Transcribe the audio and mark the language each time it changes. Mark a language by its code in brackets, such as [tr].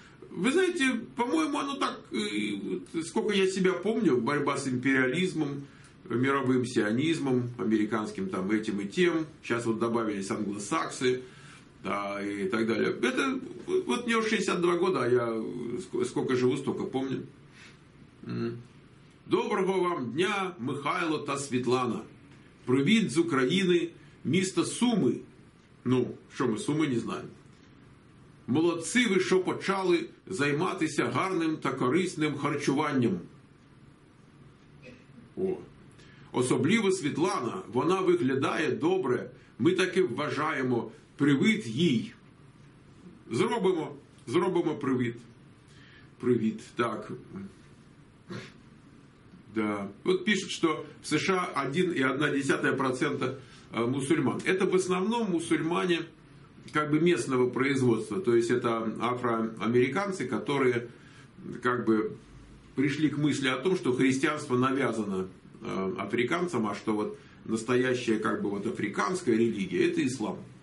[ru] Вы знаете, по-моему, оно так, сколько я себя помню, борьба с империализмом, мировым сионизмом, американским там этим и тем, сейчас вот добавились англосаксы, да, и так далее. Это вот мне уже 62 года, а я сколько живу, столько помню. [uk] Доброго вам дня, Михайло та Світлана. Привіт з України, місто Суми. Ну, що ми Суми не знаємо. Молодці ви, що почали займатися гарним та корисним харчуванням. О. Особливо Світлана, вона виглядає добре. Ми таки вважаємо, привіт їй. Зробимо, зробимо привіт. Привіт, так. Да. От пишуть, що в США 1,1% мусульман. Це в основному мусульмані [ru] как бы местного производства, то есть это афроамериканцы, которые как бы пришли к мысли о том, что христианство навязано африканцам, а что вот настоящая как бы вот африканская религия – это ислам.